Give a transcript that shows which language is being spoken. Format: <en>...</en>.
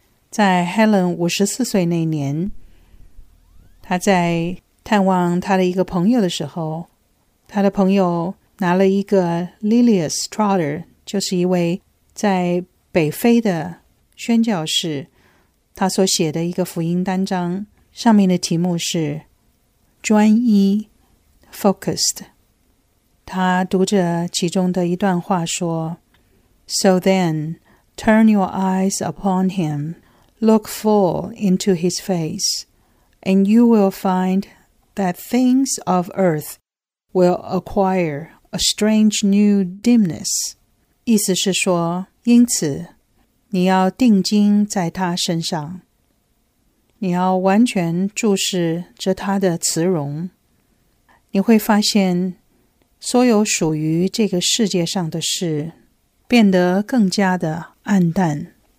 <zh>在 Helen 54岁那年，他在探望他的一个朋友的时候，他的朋友拿了一个 Lilius Trotter， 就是一位在北非的宣教士，他所写的一个福音单章，上面的题目是专一 Focused。</zh> <en>他读着其中的一段话说， So then, turn your eyes upon him, look full into his face, and you will find that things of earth will acquire a strange new dimness。</en> <zh>意思是说，因此你要定睛在他身上，你要完全注视着他的慈容，你会发现所有属于这个世界上的事变得更加的暗淡。</zh>